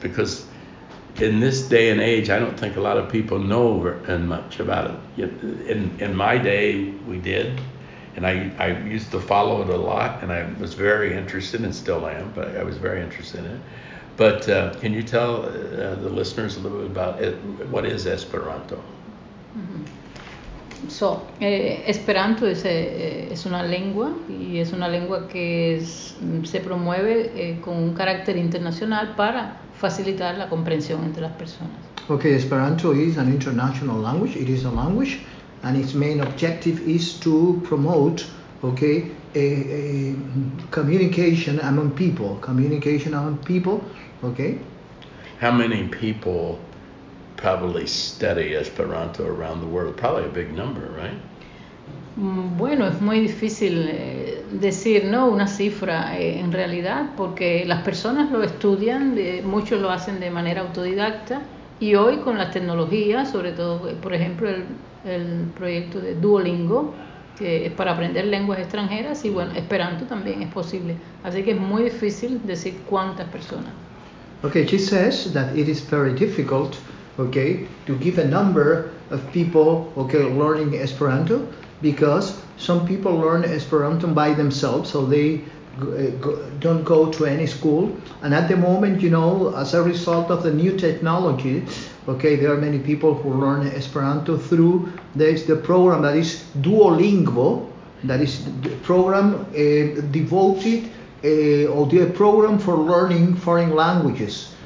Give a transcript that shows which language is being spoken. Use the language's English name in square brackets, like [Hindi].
[English] Because in this day and age, I don't think a lot of people know much about it. In my day, we did, and I used to follow it a lot, and I was very interested, and still am, but I was very interested in it. But can you tell the listeners a little bit about it? What is Esperanto? Mm-hmm. [Spanish] So, Esperanto es una lengua, y es una lengua que se promueve con un carácter internacional para facilitar la comprensión entre las personas. [English] Okay, Esperanto is an international language. It is a language, and its main objective is to promote, okay, a communication among people. Communication among people, okay? How many people probably study Esperanto around the world? Probably a big number, right? [Spanish] Bueno, es muy difícil decir, ¿no? Una cifra en realidad, porque las personas lo estudian, muchos lo hacen de manera autodidacta, y hoy con las tecnologías, sobre todo, por ejemplo, el proyecto de Duolingo, que es para aprender lenguas extranjeras, y bueno, Esperanto también es posible. Así que es muy difícil decir cuántas personas. [English] Okay, she says that it is very difficult, okay, to give a number of people, okay, learning Esperanto, because some people learn Esperanto by themselves, so they don't go to any school. And at the moment, you know, as a result of the new technology, okay, there are many people who learn Esperanto through the program that is Duolingo, that is the program devoted or the program for learning foreign languages.